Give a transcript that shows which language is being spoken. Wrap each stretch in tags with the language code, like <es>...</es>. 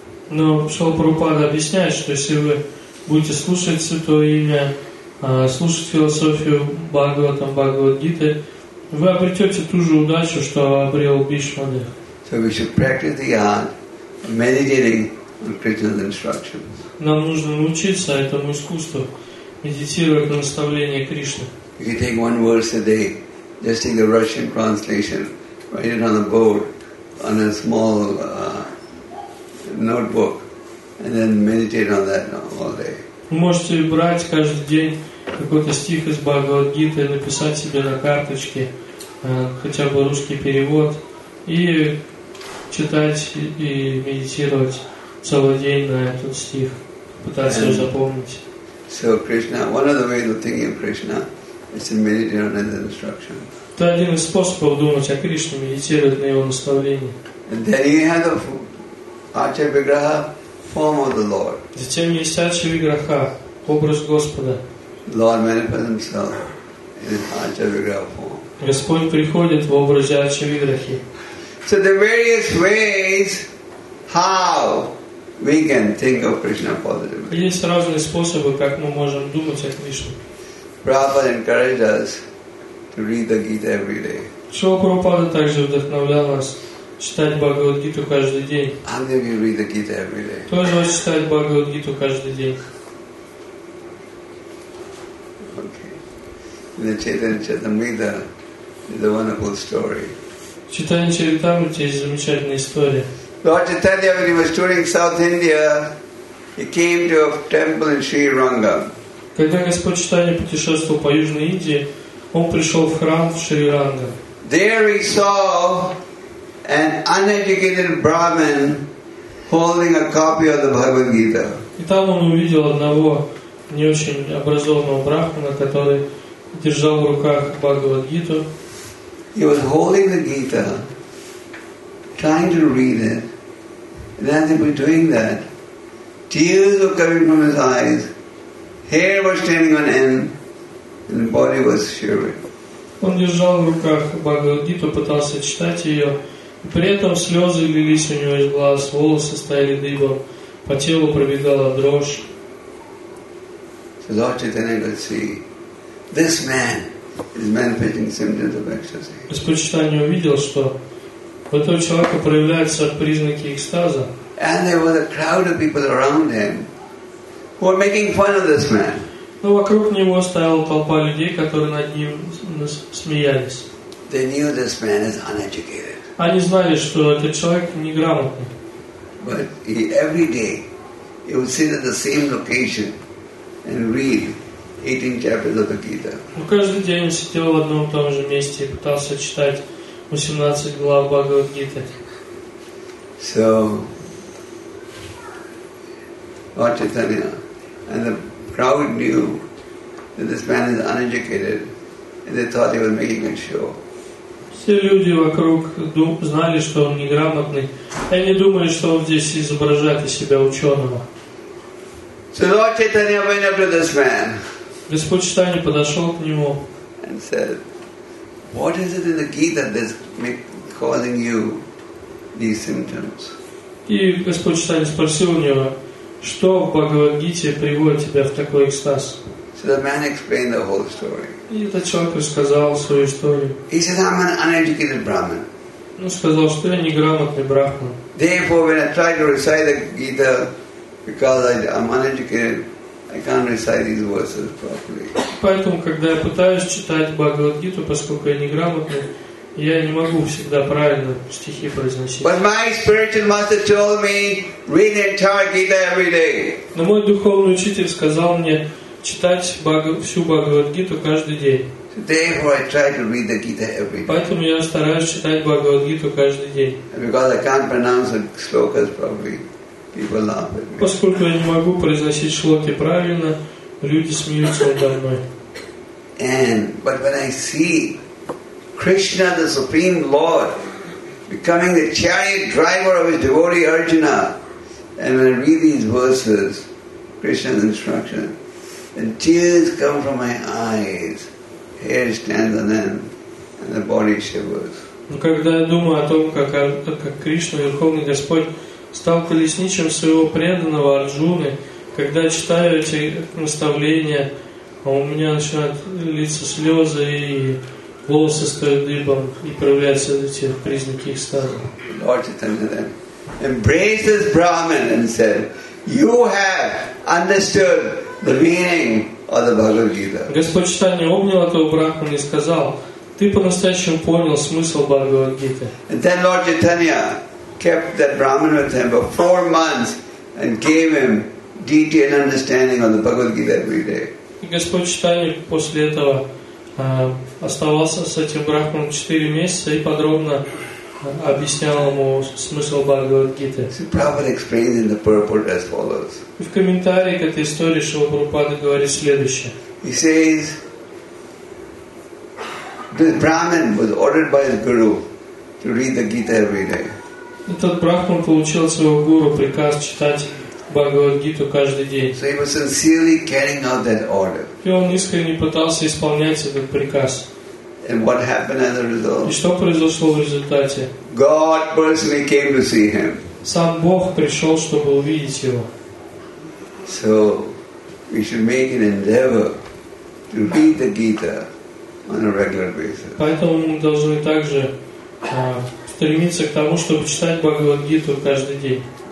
<ru>Но Шалпрупада объясняет, что если вы будете слушать Святое Имя, слушать философию Бхагаватам, Бхагавад-гиты, вы обретете ту же удачу, что обрел Бхишма Дев.</ru> <en>So we should practice the art of meditating on Krishna's instructions.</en> <ru>Нам нужно научиться этому искусству, медитировать на наставления Кришны.</ru> <en>If you take one verse a day, just take the Russian translation, write it on a board, on a small notebook, and then meditate on that all day.</en> <ru>Вы можете брать каждый день какой-то стих из Бхагавад-гиты, написать себе на карточке хотя бы русский перевод и читать и медитировать целый день на этот стих, пытаться его запомнить.</ru> <en>So Krishna, one of the ways of thinking of Krishna is to meditate on His instruction.</en> <ru>Это один из способов думать о Кришне, медитировать на Его наставление.</ru> <en>And then you have the Acharya Vigraha form of the Lord.</en> <ru>Затем есть Acharya Vigraha, образ Господа.</ru> <en>Lord manifests Himself in Acharya Vigraha form.</en> <ru>Господь приходит в образе Ачарья Виграхи.</ru> <en>So the various ways how we can think of Krishna positively.</en> <ru>Есть разные способы, как мы можем думать о Кришне.</ru> <en>Prabhupada encouraged us to read the Gita every day.</en> <ru>Шрила Прабхупада также вдохновлял нас читать Бхагавад Гиту каждый день.</ru> <en>How many of you read the Gita every day?</en> <ru>Тоже читать Бхагавад Гиту каждый день.</ru> <en>In the Chaitanya Charitamrita is a wonderful story. Chaitanya Charitamrita is a</en> <ru>замечательная история.</ru> <en>Lord Chaitanya, when he was touring South India, he came to a temple in Sri Rangam.</en> <ru>Когда Господь Чайтанья путешествовал по Южной Индии, он пришел в храм в Шри Рангам.</ru> <en>There he saw an uneducated Brahmin holding a copy of the Bhagavad Gita.</en> <ru>И там он увидел одного не очень образованного брахмана, который держал в руках Бхагавад-гиту.</ru> <en>He was holding the Gita, trying to read it, and as he was doing that, tears were coming from his eyes, hair was standing on end, and the body was shivering.</en> <ru>Он держал в руках Бхагавад-гиту, пытался читать ее, и при этом слезы лились у него из глаз, волосы стояли дыбом, по телу пробегала дрожь.</ru> <en>So Lord Chaitanya could see this man is manifesting symptoms of ecstasy.</en> <ru>Господь Чайтанья увидел, что в этом человеке проявляются признаки экстаза.</ru> <en>And there was a crowd of people around him who were making fun of this man.</en> <ru>Но вокруг него стояла толпа людей, которые над ним смеялись.</ru> <en>They knew this man is uneducated.</en> <ru>Они знали, что этот человек неграмотный.</ru> <en>But he, every day he would sit at the same location and read 18 chapters of the Gita.</en> <ru>Но каждый день он сидел в одном и том же месте и пытался читать 18 глав Бхагавад-гиты.</ru> <en>So Lord Chaitanya and the crowd knew that this man is uneducated and they thought he was making a show.</en> <ru>Все люди вокруг знали, что он неграмотный, и они думали, что он здесь изображает из себя ученого.</ru> <en>So Lord Chaitanya went up to this man.</en> <ru>Господь Чайтанья подошел к нему.</ru> <en>And said, "What is it in the Gita that's causing you these symptoms?"</en> <ru>И Господь Чайтанья спросил у него, что в Бхагавад-гите приводит тебя в такой экстаз?</ru> <en>So the man explained the whole story.</en> <ru>И этот человек рассказал свою историю.</ru> <en>He said, "I'm an uneducated Brahmin."</en> <ru>Он сказал, что я неграмотный брахман.</ru> <en>Therefore, when I try to recite the Gita, because I'm uneducated, I can't recite these verses properly.</en> <ru>Поэтому, когда я пытаюсь читать Бхагавад-гиту, поскольку я неграмотный, я не могу всегда правильно стихи произносить.</ru> <en>But my spiritual master told me, read the entire Gita every day.</en> <ru>Но мой духовный учитель сказал мне читать всю Бхагавад-гиту каждый день.</ru> <en>Therefore, I try to read the Gita every day.</en> <ru>Поэтому я стараюсь читать Бхагавад-гиту каждый день.</ru> <en>Because I can't pronounce the slokas properly, people laugh at me.</en> <ru>Поскольку я не могу произносить шлоки правильно, люди смеются надо мной.</ru> <en>But when I see Krishna, the Supreme Lord, becoming the chariot driver of his devotee Arjuna, and when I read these verses, Krishna's instruction, and tears come from my eyes, hair stands on end, and the body shivers.</en> <ru>Но когда я думаю о том, как Кришна, Верховный Господь, стал колесничем своего преданного Арджуны, когда я читаю эти наставления, а у меня начинают литься слезы и волосы стоят дыбом и проявляются эти признаки экстаза.</ru> <en>Lord Chaitanya then embraced this Brahmin and said, "You have understood the meaning of the Bhagavad Gita."</en> <ru>Господь Чайтанья обнял этого брахмана и сказал, "Ты по-настоящему понял смысл Бхагавад Гиты."</ru> <en>And then Lord Chaitanya kept that Brahmin with him for 4 months and gave him detailed understanding of the Bhagavad Gita every day.</en> <ru>И Господь Чайтанья после этого оставался с этим брахманом 4 месяца и подробно объяснял ему смысл Бхагавад-гиты.</ru> <en>Prabhupada explained in the purport as follows.</en> <ru>В комментарии к этой истории Шрила Прабхупада говорит следующее.</ru> <en>He says, this Brahmin was ordered by his guru to read the Gita every day.</en> <ru>Этот брахман получил от своего гуру приказ читать Бхагавад-гиту каждый день.</ru> <en>So he was sincerely carrying out that order.</en> <ru>И он искренне пытался исполнять этот приказ.</ru> <en>And what happened as a result?</en> <ru>И что произошло в результате?</ru> <en>God personally came to see him.</en> <ru>Сам Бог пришел, чтобы увидеть его.</ru> <en>So we should make an endeavor to read the Gita on a regular basis.</en> <ru>Поэтому мы должны также стремиться к тому, чтобы читать Бхагавад-гиту каждый день.</ru>